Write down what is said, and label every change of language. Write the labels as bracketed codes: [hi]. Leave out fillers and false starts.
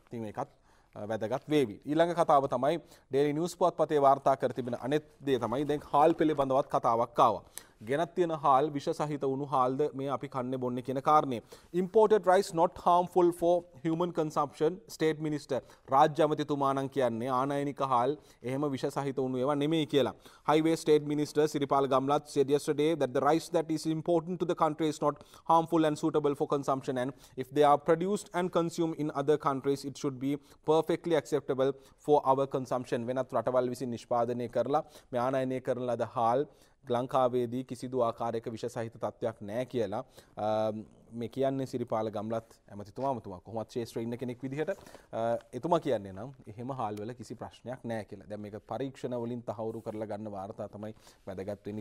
[si] ඉතින් ඒකත් වැදගත් වේවි. ඊළඟ කතාව තමයි ඩේලි නිවුස් පුවත්පතේ වාර්තා කර තිබෙන අනෙත් දේ තමයි දැන් හාල් පිළිබඳවත් කතාවක් ආවා. ගෙනත් තියෙන හාල් විෂ සහිත වුණු හාල්ද මේ අපි කන්නේ බොන්නේ කියන කාරණේ. [en] Imported rice not harmful for human consumption, state minister. [si] රාජ්‍ය අමතිතුමා නම් කියන්නේ ආනයනික හාල් එහෙම විෂ සහිත වුණු ඒවා නෙමෙයි කියලා. [en] Highway state minister Siripal Gamlat said yesterday that the rice that is important to the country is not harmful and suitable for consumption and if they are produced and consumed in other countries it should be perfectly acceptable for our consumption. [si] වෙනත් රටවල් විසින් නිෂ්පාදනය කරලා මේ ආනයනය කරන ලද හාල් ලංකාවේදී කිසිදු ආකාරයක විෂ සහිත තත්ත්වයක් නැහැ කියලා මේ කියන්නේ සිරිපාල ගම්ලත් ඇමතිතුමාම තුමා කොහොමත් ශ්‍රේෂ්ඨ ඉන්න කෙනෙක් විදිහට එතුමා කියන්නේ නම් එහෙම හාල් වල කිසි ප්‍රශ්නයක් නැහැ කියලා. දැන් මේක පරීක්ෂණ වලින් තහවුරු කරලා ගන්න වාර්තා තමයි වැදගත් වෙන්නේ.